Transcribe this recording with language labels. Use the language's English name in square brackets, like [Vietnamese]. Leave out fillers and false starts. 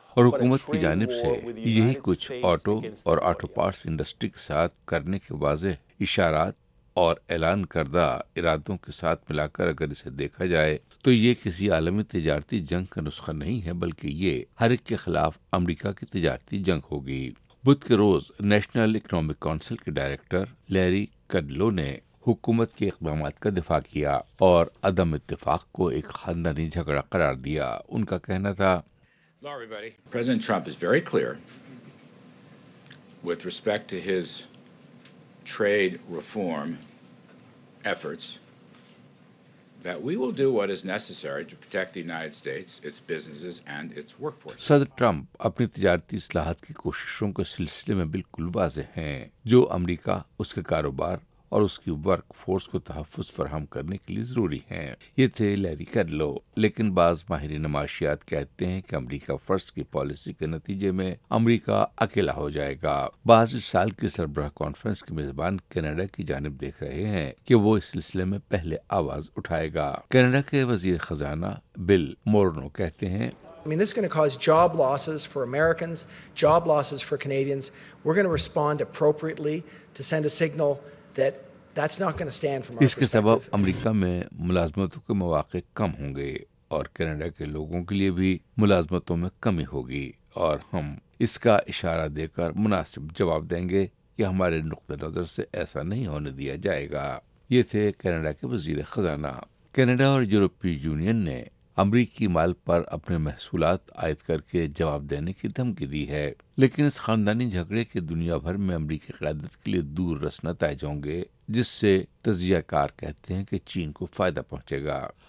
[Urdu] اور حکومت کی جانب سے یہی کچھ آٹو اور آٹو پارٹس انڈسٹری کے ساتھ کرنے کے واضح اشارات اور اعلان کردہ ارادوں کے ساتھ ملا کر اگر اسے دیکھا جائے تو یہ کسی عالمی تجارتی جنگ کا نسخہ نہیں ہے، بلکہ یہ ہر ایک کے خلاف امریکہ کی تجارتی جنگ ہوگی۔ بدھ کے روز نیشنل اکنامک کونسل کے ڈائریکٹر لیری کڈلو نے حکومت کے اقدامات کا دفاع کیا اور عدم اتفاق کو ایک خاندانی جھگڑا قرار دیا۔ ان کا کہنا تھا [English] President Trump is very clear with respect to his trade reform efforts, that we will do what is necessary to protect the United States, its businesses, and its workforce. [Urdu] صدر ٹرمپ اپنی تجارتی اصلاحات کی کوششوں کے سلسلے میں بالکل واضح ہیں جو امریکہ اس کے کاروبار اور اس کی ورک فورس کو تحفظ فراہم کرنے کے لیے ضروری ہیں. یہ تھے لیری کرلو. لیکن بعض ماہرین معاشیات کہتے ہیں کہ امریکہ فرسٹ کی پالیسی کے نتیجے میں امریکہ اکیلا ہو جائے گا. بعض اس سال کی سربراہ کانفرنس کے میزبان کینیڈا کی جانب دیکھ رہے ہیں کہ وہ اس سلسلے میں پہلے آواز اٹھائے گا. کینیڈا کے وزیر خزانہ بل مورنو کہتے ہیں, [English] I mean, this is going to cause job losses for Americans, job losses for Canadians. We're going to respond appropriately to send a signal that that's not going to stand from our [Urdu] اس کے سبب امریکہ میں ملازمتوں کے مواقع کم ہوں گے اور Canada کے لوگوں کے لیے بھی ملازمتوں میں کمی ہوگی, اور ہم اس کا اشارہ دے کر مناسب جواب دیں گے کہ ہمارے نقطہ نظر سے ایسا نہیں ہونے دیا جائے گا. یہ تھے کینیڈا کے وزیر خزانہ. کینیڈا اور یورپی یونین نے امریکی مال پر اپنے محصولات عائد کر کے جواب دینے کی دھمکی دی ہے, لیکن اس خاندانی جھگڑے کے دنیا بھر میں امریکی قیادت کے لیے دور رس نتائج ہوں گے, جس سے تجزیہ کار کہتے ہیں کہ چین کو فائدہ پہنچے گا.